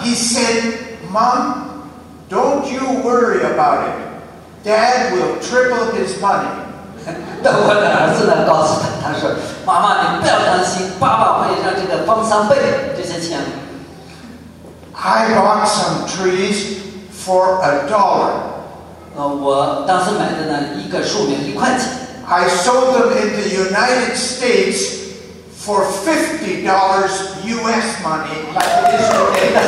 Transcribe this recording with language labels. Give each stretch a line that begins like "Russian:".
English: He said, "Mom, don't you worry about it. Dad will triple his money."
Chinese: 我的儿子呢告诉他，他说，妈妈，你不要担心，爸爸会让这个翻三倍这些钱。
English: I bought some trees for $1.
Chinese: 我当时买的呢，一个树苗一块钱。
English: I sold them in the United States for $50 US money.